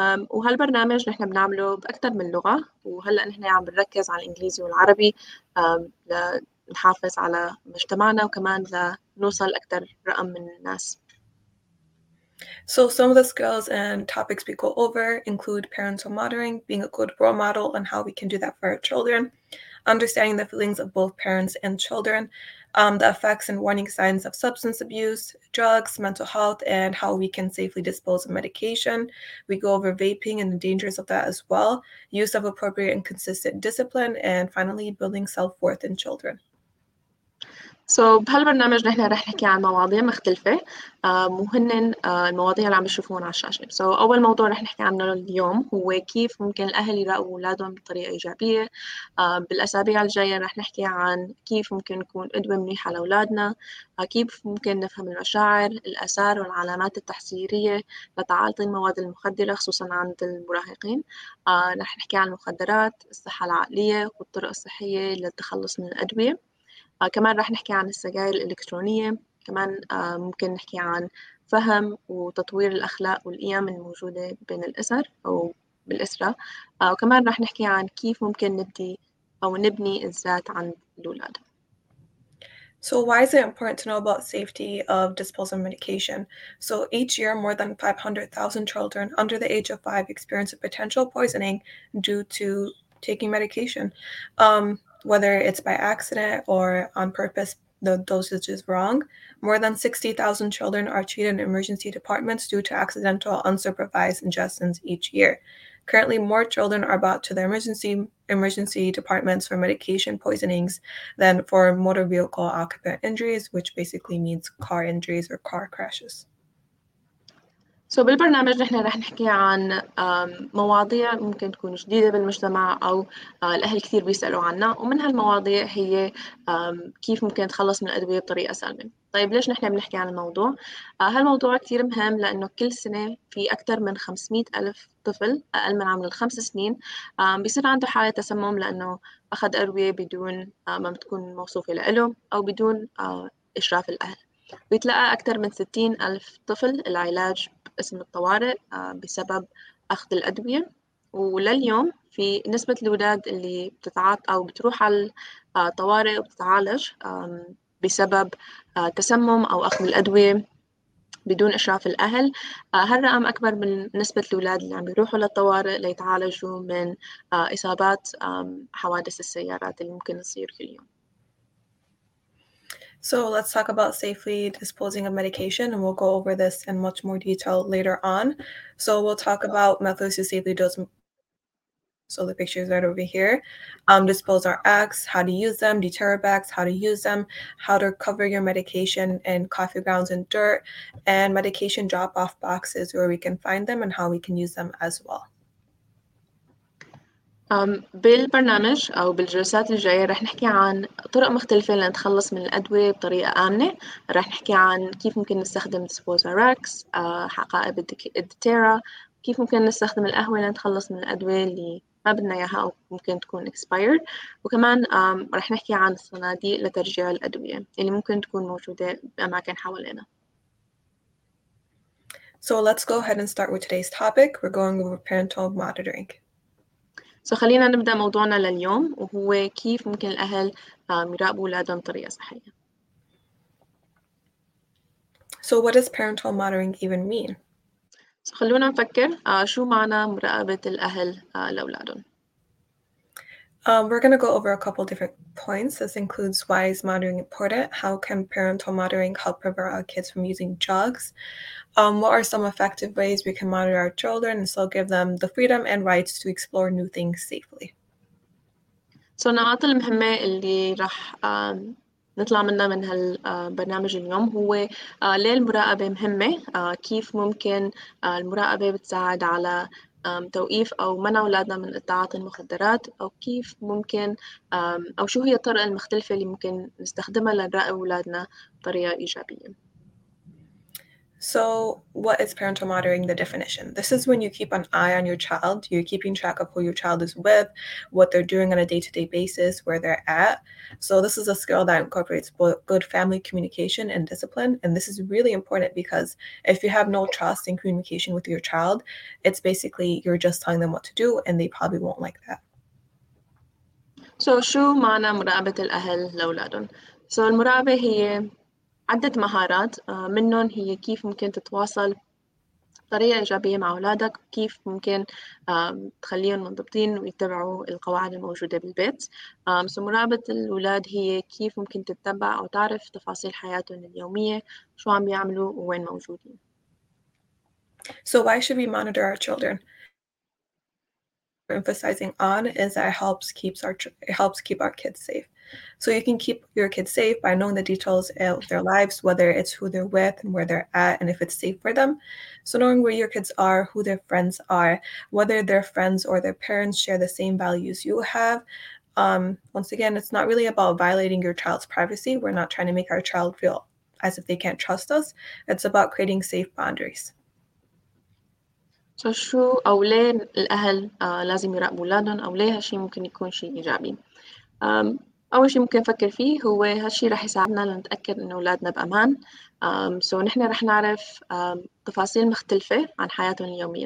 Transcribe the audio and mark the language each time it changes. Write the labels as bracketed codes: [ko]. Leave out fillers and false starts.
[ar] وهالبرنامج نحن بنعمله بأكثر من لغة، وهلأ نحن عم بنركز على الإنجليزي والعربي لنحافظ على مجتمعنا وكمان لنوصل أكثر رقم من الناس. [en] So some of the skills and topics we go over include parental mothering, being a good role model and how we can do that for our children, understanding the feelings of both parents and children, the effects and warning signs of substance abuse, drugs, mental health, and how we can safely dispose of medication. We go over vaping and the dangers of that as well, use of appropriate and consistent discipline, and finally, building self-worth in children. [ar] So بهالبرنامج نحن رح نحكي عن مواضيع مختلفة وهن المواضيع اللي عم بيشوفون على الشاشة. So أول موضوع رح نحكي عنه اليوم هو كيف ممكن الأهل يراقبوا أولادهم بطريقة إيجابية. بالأسابيع الجاية رح نحكي عن كيف ممكن نكون قدوة منيحة لأولادنا، كيف ممكن نفهم المشاعر، الآثار والعلامات التحذيرية لتعاطي المواد المخدرة خصوصاً عند المراهقين. رح نحكي عن المخدرات، الصحة العقلية والطرق الصحية للتخلص من الأدوية. كمان راح نحكي عن السجائر الإلكترونية، كمان ممكن نحكي عن فهم وتطوير الأخلاق والقيم الموجودة بين الأسر أو بالأسرة، وكمان راح نحكي عن كيف ممكن نبدي أو نبني الذات عند الأولاد. [en] So why is it important to know about safety of disposal medication? So each year, more than 500,000 children under the age of 5 experience a potential poisoning due to taking medication. Whether it's by accident or on purpose, the dosage is wrong. More than 60,000 children are treated in emergency departments due to accidental unsupervised ingestions each year. Currently, more children are brought to the emergency departments for medication poisonings than for motor vehicle occupant injuries, which basically means car injuries or car crashes. [ar] سو بالبرنامج نحن رح نحكي عن مواضيع ممكن تكون جديدة بالمجتمع أو الأهل كثير بيسألوا عنها، ومن هالمواضيع هي كيف ممكن تخلص من الأدوية بطريقة سلمة. طيب ليش نحن بنحكي عن الموضوع؟ هالموضوع كثير مهم لأنه كل سنة في أكثر من 500 ألف طفل أقل من عمر الخمس سنين بيصير عنده حالة تسمم لأنه أخذ أدوية بدون ما بتكون موصوفة له أو بدون إشراف الأهل. بيتلقى أكثر من 60 ألف طفل العلاج باسم الطوارئ بسبب أخذ الأدوية، ولليوم في نسبة الأولاد اللي بتتعاطى أو بتروح على الطوارئ وبتتعالج بسبب تسمم أو أخذ الأدوية بدون إشراف الأهل، هالرقم أكبر من نسبة الأولاد اللي عم بيروحوا للطوارئ ليتعالجوا من إصابات حوادث السيارات اللي ممكن تصير كل يوم. [en] So let's talk about safely disposing of medication, and we'll go over this in much more detail later on. So we'll talk about methods to safely dose. So the pictures right over here, dispose our eggs, how to use them, deterrent bags, how to use them, how to cover your medication in coffee grounds and dirt, and medication drop-off boxes where we can find them and how we can use them as well. [ar] بالبرنامج أو بالجلسات الجاية رح نحكي عن طرق مختلفة لنتخلص من الأدوية بطريقة آمنة. رح نحكي عن كيف ممكن نستخدم [en] disposal racks، [ar] حقائب الدتيرا، كيف ممكن نستخدم القهوة لنتخلص من الأدوية اللي ما بدنا إياها أو ممكن تكون expired، وكمان رح نحكي عن الصناديق لترجيع الأدوية اللي ممكن تكون موجودة بأماكن حوالينا. [en] So let's go ahead and start with today's topic. We're going over parental monitoring. [ar] سو خلينا نبدأ موضوعنا لليوم، وهو كيف ممكن الأهل يراقبوا أولادهم بطريقة صحية. [en] So what does parental monitoring even mean? [ar] سو خلونا نفكر شو معنى مراقبة الأهل لأولادهم. [en] We're going to go over a couple different points. This includes why is monitoring important? How can parental monitoring help prevent our kids from using drugs? What are some effective ways we can monitor our children and still give them the freedom and rights to explore new things safely? [ar] So, النقاط المهمة اللي راح نطلع منها من هالبرنامج اليوم هو ليه المراقبة مهمة؟ كيف ممكن المراقبة بتساعد على توقيف أو منع أولادنا من التعاطي المخدرات، أو كيف ممكن أو شو هي الطرق المختلفة اللي ممكن نستخدمها لنراقب أولادنا بطريقة إيجابية. [en] So what is parental monitoring, the definition? This is when you keep an eye on your child. You're keeping track of who your child is with, what they're doing on a day-to-day basis, where they're at. So this is a skill that incorporates both good family communication and discipline. And this is really important because if you have no trust in communication with your child, it's basically you're just telling them what to do and they probably won't like that. [ar] So شو معنى مراقبة الأهل لأولادهم؟ So المراقبة هي عدة مهارات، منهم هي كيف ممكن تتواصل بطريقة إيجابية مع أولادك، كيف ممكن تخليهم منضبطين ويتبعوا القواعد الموجودة بالبيت. مراقبة الأولاد هي كيف ممكن تتبع أو تعرف تفاصيل حياتهم اليومية، شو عم بيعملوا ووين موجودين. [en] So why should we monitor our children? Emphasizing on is that it helps keep our kids safe. So you can keep your kids safe by knowing the details of their lives, whether it's who they're with and where they're at and if it's safe for them. So knowing where your kids are, who their friends are, whether their friends or their parents share the same values you have. Once again, it's not really about violating your child's privacy. We're not trying to make our child feel as if they can't trust us. It's about creating safe boundaries. [ar] So شو أو ليه الأهل لازم يراقبوا أولادهم، أو ليه هالشي ممكن يكون شيء إيجابي؟ أول شيء ممكن نفكر فيه هو هالشي رح يساعدنا لنتأكد إنه أولادنا بأمان. So نحن رح نعرف تفاصيل مختلفة عن حياتهم اليومية.